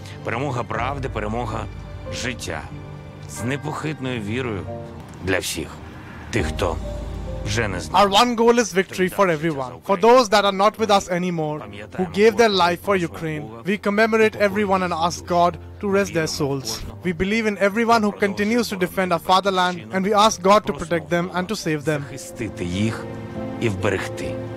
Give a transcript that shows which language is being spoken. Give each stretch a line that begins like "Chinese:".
Ukrainian: Перемога правди, перемога життя. З непохитною вірою для всіх. Тих, хто вже не знає.
English: Our one goal is victory for everyone. For those that are not with us anymore, who gave their life for Ukraine, we commemorate everyone and ask God to rest their souls. We believe in everyone who continues to defend our fatherland and we ask God to protect them and to save them.
Ukrainian: Захистити їх і вберегти.